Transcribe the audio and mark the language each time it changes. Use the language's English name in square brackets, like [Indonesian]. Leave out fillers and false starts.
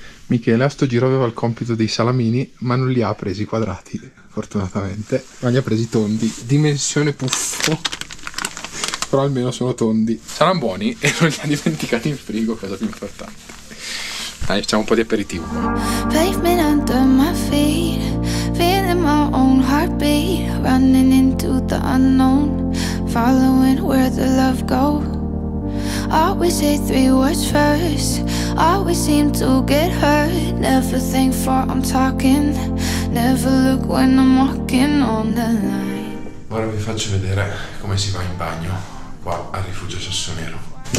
[Italian] Michele a sto giro aveva il compito dei salamini, ma non li ha presi quadrati, fortunatamente, ma li ha presi tondi, dimensione puffo, però almeno sono tondi. Saranno buoni e non li ha dimenticati in frigo, cosa più importante. Dai, facciamo un po' di aperitivo. [English] Pavement under my feet, feeling my own heartbeat, running into the unknown, following where the love go. Always say three words first, always seem to get hurt. Never think for I'm talking, never look when I'm walking on the line. [Italian] Ora vi faccio vedere come si va in bagno qua al rifugio Sassonero.